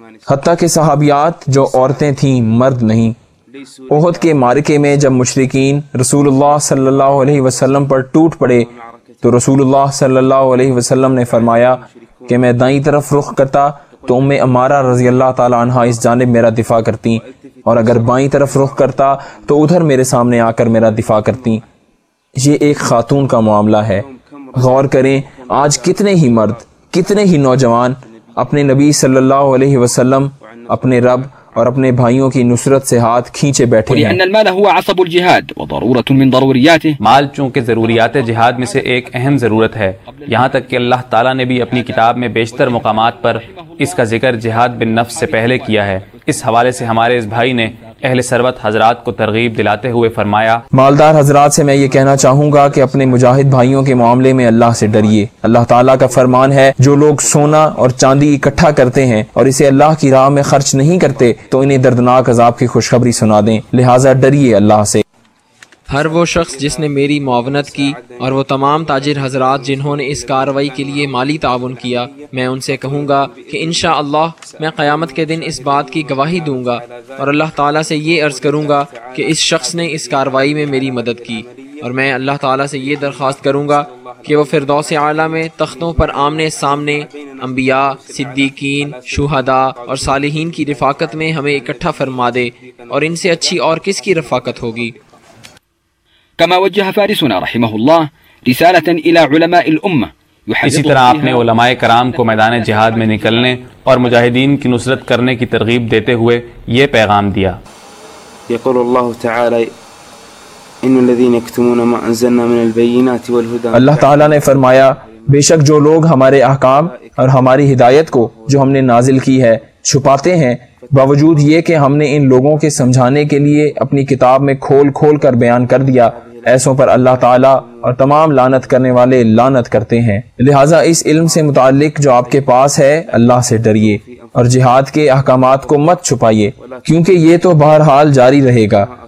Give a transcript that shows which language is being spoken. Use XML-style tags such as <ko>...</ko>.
<ur>حتیٰ کہ صحابیات جو عورتیں تھیں مرد نہیں۔ احد کے معرکے میں جب مشرکین رسول اللہ صلی اللہ علیہ وسلم پر ٹوٹ پڑے تو رسول اللہ صلی اللہ علیہ وسلم نے فرمایا کہ میں دائیں طرف رخ کرتا تو ام امارہ رضی اللہ تعالی عنہا اس جانب میرا دفاع کرتی، اور اگر بائیں طرف رخ کرتا تو ادھر میرے سامنے آ کر میرا دفاع کرتی۔ یہ ایک خاتون کا معاملہ ہے۔ غور کریں، آج کتنے ہی مرد، کتنے ہی نوجوان اپنے نبی صلی اللہ علیہ وسلم، اپنے رب اور اپنے بھائیوں کی نصرت سے ہاتھ کھینچے بیٹھے ہیں۔</ur> <ar>المال هو عصب الجهاد وضرورة من ضرورياته،</ar> <ur>مال چونکہ ضروریات جہاد میں سے ایک اہم ضرورت ہے، یہاں تک کہ اللہ تعالیٰ نے بھی اپنی کتاب میں بیشتر مقامات پر اس کا ذکر جہاد بالنفس سے پہلے کیا ہے۔ اس حوالے سے ہمارے اس بھائی نے اہل ثروت حضرات کو ترغیب دلاتے ہوئے فرمایا، مالدار حضرات سے میں یہ کہنا چاہوں گا کہ اپنے مجاہد بھائیوں کے معاملے میں اللہ سے ڈریے۔ اللہ تعالیٰ کا فرمان ہے، جو لوگ سونا اور چاندی اکٹھا کرتے ہیں اور اسے اللہ کی راہ میں خرچ نہیں کرتے تو انہیں دردناک عذاب کی خوشخبری سنا دیں، لہٰذا ڈریے اللہ سے۔ ہر وہ شخص جس نے میری معاونت کی، اور وہ تمام تاجر حضرات جنہوں نے اس کارروائی کے لیے مالی تعاون کیا، میں ان سے کہوں گا کہ انشاءاللہ میں قیامت کے دن اس بات کی گواہی دوں گا اور اللہ تعالیٰ سے یہ عرض کروں گا کہ اس شخص نے اس کارروائی میں میری مدد کی، اور میں اللہ تعالیٰ سے یہ درخواست کروں گا کہ وہ فردوس اعلیٰ میں تختوں پر آمنے سامنے انبیاء، صدیقین، شہداء اور صالحین کی رفاقت میں ہمیں اکٹھا فرما دے، اور ان سے اچھی اور کس کی رفاقت ہوگی۔</ur> <ar>كما وجه فارسنا رحمه الله رسالة إلى علماء الأمة۔</ar> <ur>اسی طرح آپ نے علماء کرام کو میدان جہاد میں نکلنے اور مجاہدین کی نصرت کرنے کی ترغیب دیتے ہوئے یہ پیغام دیا۔</ur> <ar>يقول الله تعالى إن الذين يكتمون ما أنزلنا من البينات والهدى،</ar> <ur>اللہ تعالی نے فرمایا، بے شک جو لوگ ہمارے احکام اور ہماری ہدایت کو جو ہم نے نازل کی ہے چھپاتے ہیں، باوجود یہ کہ ہم نے ان لوگوں کے سمجھانے کے لیے اپنی کتاب میں کھول کھول کر بیان کر دیا، ایسوں پر اللہ تعالیٰ اور تمام لعنت کرنے والے لعنت کرتے ہیں۔ لہٰذا اس علم سے متعلق جو آپ کے پاس ہے، اللہ سے ڈریے اور جہاد کے احکامات کو مت چھپائیے، کیونکہ یہ تو بہرحال جاری رہے گا،</ur>